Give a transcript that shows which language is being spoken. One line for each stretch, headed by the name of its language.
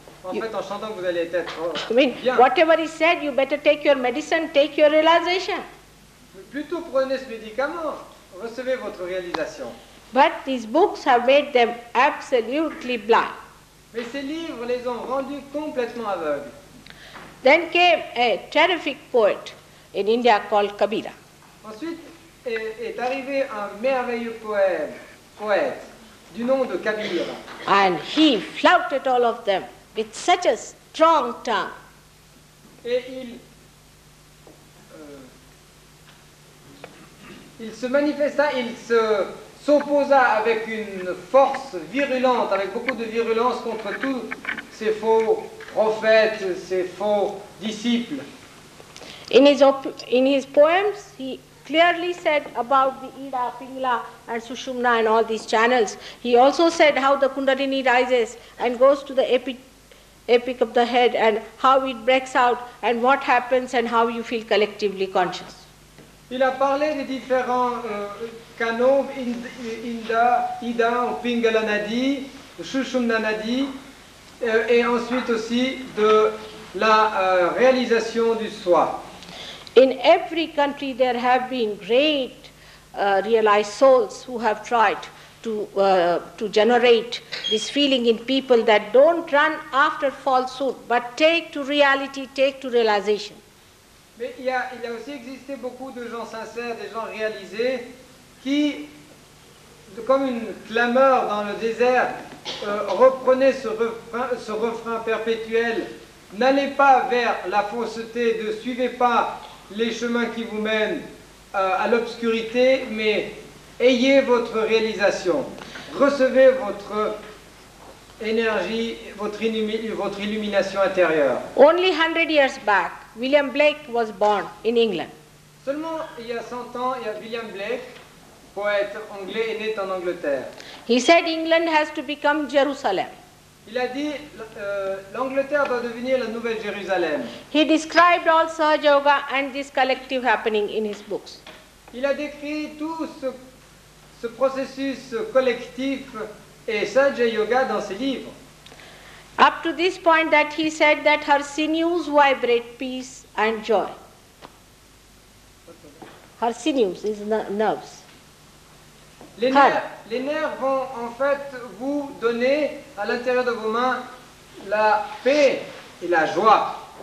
French: En fait, en chantant, vous allez être bien.
English: Whatever is said, you better take your medicine, take your realization.
French: Plutôt prenez ce médicament, recevez votre réalisation.
English: But these books have made them absolutely blind.
French: Mais ces livres les ont rendus complètement aveugles.
English: Then came a terrific poet in India called Kabira.
French: Ensuite est arrivé un merveilleux poète du nom de Kabir.
English: And he flouted all of them with such a strong tongue.
French: Et il se manifesta, il se s'opposa avec une force virulente, avec beaucoup de virulence contre tous ces faux prophètes, ces faux disciples.
English: In his poems, he clearly said about the Ida, Pingla and Sushumna and all these channels. He also said how the Kundalini rises and goes to the epic of the head and how it breaks out and what happens and how you feel collectively conscious.
French: Il a parlé des différents canaux, Inda, Ida, Pingala Nadi, Sushumna Nadi, et ensuite aussi de la réalisation du soi.
English: In every country there have been great realized souls who have tried to generate this feeling in people that don't run after falsehood, but take to reality, take to realization.
French: Mais il y a aussi existé beaucoup de gens sincères, des gens réalisés, qui, comme une clameur dans le désert, reprenaient ce refrain perpétuel. N'allez pas vers la fausseté, ne suivez pas les chemins qui vous mènent à l'obscurité, mais ayez votre réalisation. Recevez votre énergie, votre illumination intérieure.
English: Only 100 years back, William Blake was born in England.
French: Seulement il y a 100 ans, il y a William Blake, poète anglais, est né en Angleterre.
English: He said England has to become Jerusalem.
French: Il a dit l'Angleterre doit devenir la nouvelle Jérusalem.
English: He described all Sahaja Yoga and this collective happening in his books.
French: Il a décrit tout ce processus collectif et Sahaja Yoga dans ses livres.
English: Up to this point that he said that her sinews vibrate peace and joy. Her sinews is nerves.
French: Les nerfs vont en fait vous donner à l'intérieur de vos mains la paix et la joie.